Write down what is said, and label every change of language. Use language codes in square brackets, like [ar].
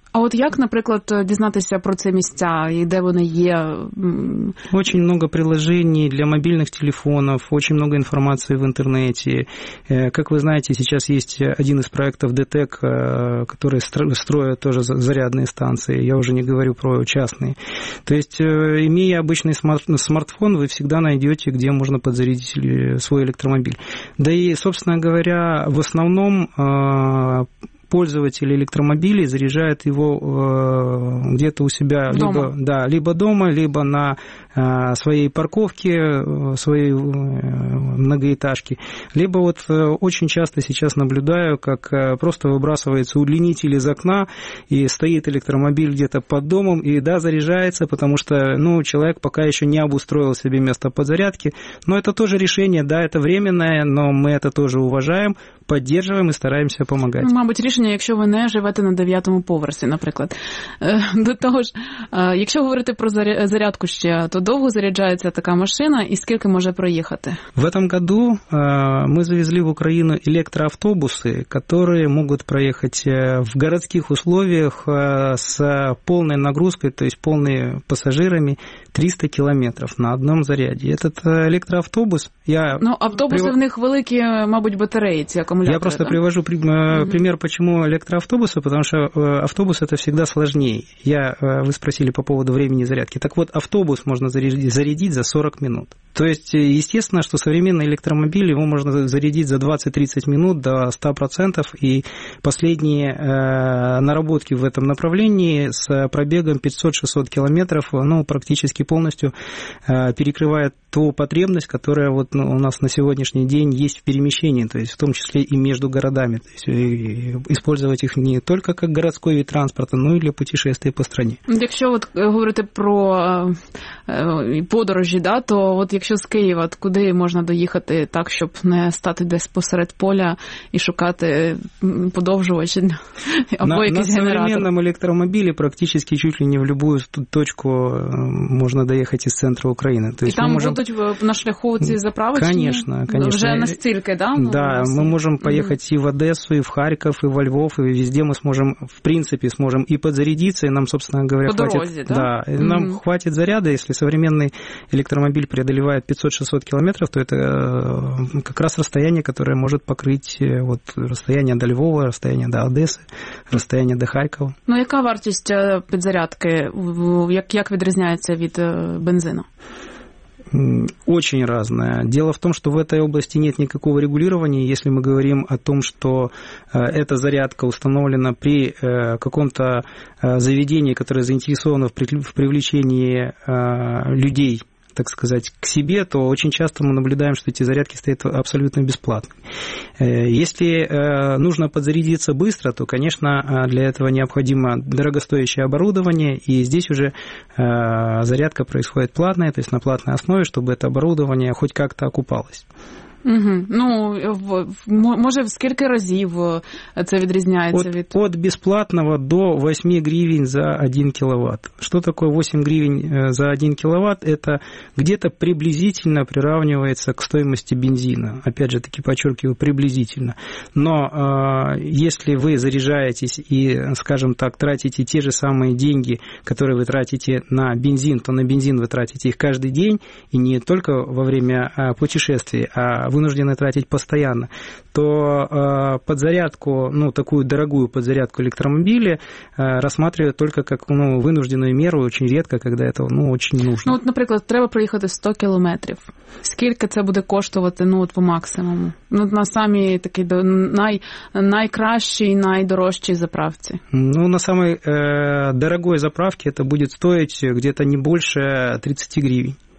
[uk] А от як, наприклад, дізнатися про ці місця і де вони є? [ru] Очень много приложений для мобильных телефонов, очень много информации в интернете. Как вы знаете, сейчас есть один из проектов ДТЕК, который строит тоже зарядные станции. Я уже не говорю про частные. То есть, имея обычный смартфон, вы всегда найдете, где можно подзарядить свой электромобиль. Да и, собственно говоря, в основном пользователь электромобилей заряжает его где-то у себя дома. Либо дома, либо на своей парковке, своей многоэтажке. Либо вот очень часто сейчас наблюдаю, как просто выбрасывается удлинитель из окна, и стоит электромобиль где-то под домом, и да, заряжается, потому что человек пока еще не обустроил себе место подзарядки. Но это тоже решение, да, это временное, но мы это тоже уважаем, поддерживаем и стараемся помогать. [uk] Мабуть, рішення, якщо ви не живете на 9-му поверсі, наприклад. До того ж, якщо говорити про зарядку ще, то довго заряджається така машина і скільки може проїхати? [ru] В этом году мы завезли в Украину электроавтобусы, которые могут проехать в городских условиях с полной нагрузкой, то есть полными пассажирами, 300 километров на одном заряде. Этот электроавтобус, [uk] автобусы в них великі, мабуть, батареї ці акумулятори. [ru] Я просто привожу пример, почему электроавтобусы, потому что автобус это всегда сложнее. Вы спросили по поводу времени зарядки. Так вот, автобус можно зарядить за 40 минут. То есть, естественно, что современный электромобиль, его можно зарядить за 20-30 минут до 100%, и последние наработки в этом направлении с пробегом 500-600 километров, практически полностью перекрывает ту потребность, которая у нас на сегодняшний день есть в перемещении, то есть в том числе и между городами, то есть использовать их не только как городской вид транспорта, но и для путешествий по стране. [uk] Якщо говорити про подорожі, да, то якщо з Києва, куди можна доїхати так, щоб не стати десь посеред поля і шукати подовжувач або якийсь генератор? [ru] На современном электромобиле практически чуть ли не в любую точку [uk] можна доїхати з центру України. [ru] То есть [uk] і там будуть на шляху ці заправочні? [ru] Конечно, конечно. [uk] Вже настільки, да? Да, ми можемо поїхати і в Одесу, і в Харків, і во Львов, і везде ми зможемо, в принципі, зможемо і подзарядитися, і нам, [ru] собственно говоря, [uk] по дорозі, хватит, да? [ru] Да, нам хватит заряду, якщо современний електромобіль преодолевает 500-600 километров, то это как раз расстояние, которое может покрыть расстояние до Львова, расстояние до Одессы, расстояние до Харькова. [uk] Ну, яка вартість підзарядки? Як відрізняється від бензину? [ru] Очень разное. Дело в том, что в этой области нет никакого регулирования. Если мы говорим о том, что эта зарядка установлена при каком-то заведении, которое заинтересовано в привлечении людей, так сказать, к себе, то очень часто мы наблюдаем, что эти зарядки стоят абсолютно бесплатно. Если нужно подзарядиться быстро, то, конечно, для этого необходимо дорогостоящее оборудование, и здесь уже зарядка происходит платная, то есть на платной основе, чтобы это оборудование хоть как-то окупалось. Угу. [uk] Ну, може, в скільки разів це відрізняється від... От безплатного до 8 гривень за 1 кВт. Що таке 8 гривень за 1 кВт? [ru] Це где-то приблизительно приравнивається к стоимости бензина. Опять же, таки подчеркиваю, приблизительно. Но если вы заряжаетесь и, скажем так, тратите те же самые деньги, которые вы тратите на бензин, то на бензин вы тратите их каждый день, и не только во время путешествий, а вынуждены тратить постоянно, то подзарядку, такую дорогую подзарядку электромобиля рассматривают только как вынужденную меру, очень редко, когда это очень нужно. Ну, например, треба проехать 100 километров. Сколько это будет коштувати, по максимуму? На самой такой, [uk] найкращій, найдорожчій заправці? [ru] На самой дорогой заправке это будет стоить где-то не больше 30 гривен.